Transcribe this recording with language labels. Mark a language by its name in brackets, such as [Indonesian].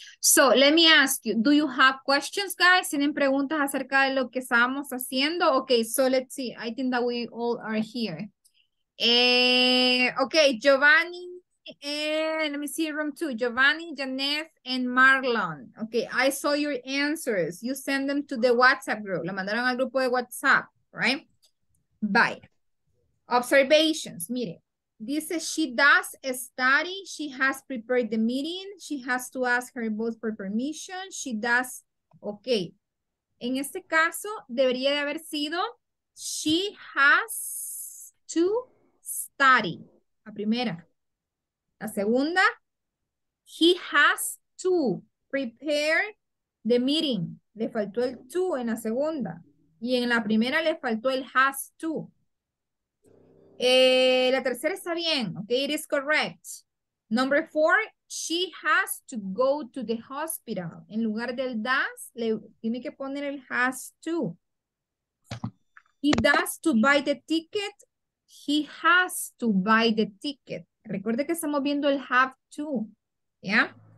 [English] So, let me ask you, do you have questions, guys? [Spanish] ¿Tienen preguntas acerca de lo que estábamos haciendo? [English] Okay, so let's see. I think that we all are here. Okay, Giovanni, let me see room 2. Giovanni, Janeth, and Marlon. Okay, I saw your answers. You send them to the WhatsApp group. [Spanish] La mandaron al grupo de WhatsApp, [English] right? Bye. Observations, mire. This is, she does a study, she has prepared the meeting, she has to ask her boss for permission, she does, okay. [Spanish] En este caso, debería de haber sido, [English] she has to study, [Spanish] la primera. La segunda, [English] he has to prepare the meeting. [Spanish] Le faltó el to en la segunda. Y en la primera le faltó el has to. La tercera está bien, okay, [English] it is correct. Number 4, she has to go to the hospital. [Spanish] En lugar del does, le tiene que poner el has to. [English] He does to buy the ticket. He has to buy the ticket. [Spanish] Recuerde que estamos viendo el have to, ¿ya?